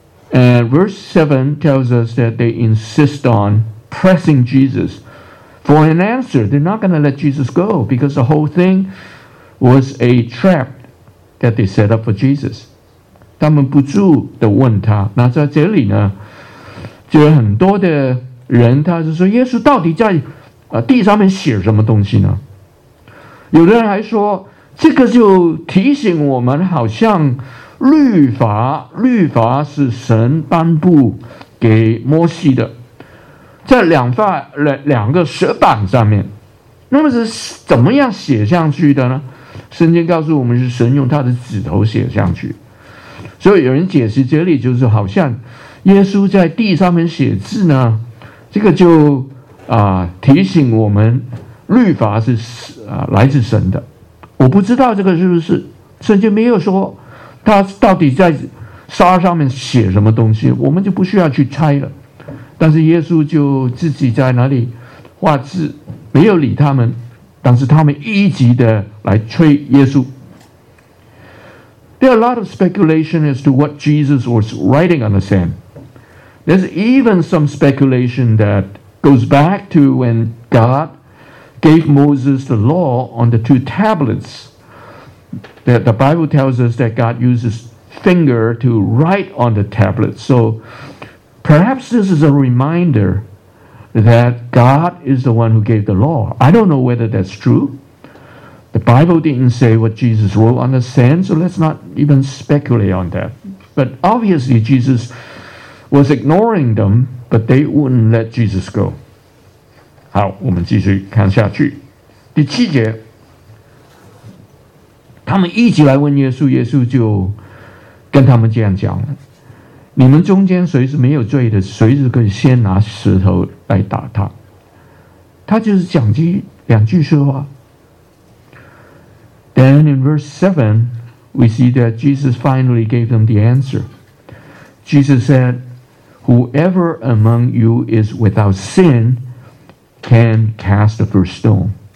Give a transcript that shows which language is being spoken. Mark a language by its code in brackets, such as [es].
[en] And verse 7 tells us that they insist on pressing Jesus for an answer. They're not going to let Jesus go because the whole thing was a trap that they set up for Jesus. [zh] 他们不住地问他，那在这里呢，就有很多的人，他是说耶稣到底在地上面写什么东西呢？有的人还说，这个就提醒我们，好像律法是神颁布给摩西的，在两个石板上面，那么是怎么样写上去的呢？圣经告诉我们是神用他的指头写上去，所以有人解释这里就是好像耶稣在地上面写字呢，这个就提醒我们律法是来自神的。我不知道这个是不是圣经没有说他到底在沙上面写什么东西，我们就不需要去猜了。但是耶稣就自己在那里画字，没有理他们，但是他们一直的来催耶稣。 [en] There are a lot of speculation as to what Jesus was writing on the sand. There's even some speculation that goes back to when God gave Moses the law on the two tablets. The Bible tells us that God uses finger to write on the tablets. So perhaps this is a reminder that God is the one who gave the law. I don't know whether that's true. The Bible didn't say what Jesus wrote on the sand, so let's not even speculate on that. But obviously, Jesus was ignoring them, but they wouldn't let Jesus go. [zh] 好，我们继续看下去。第七节，他们一起来问耶稣，耶稣就跟他们这样讲：你们中间谁是没有罪的，谁是可以先拿石头来打他？他就是讲这两句说话。 [en] Then in verse 7, we see that Jesus finally gave them the answer. Jesus said, Whoever among you is without sin can cast the first stone.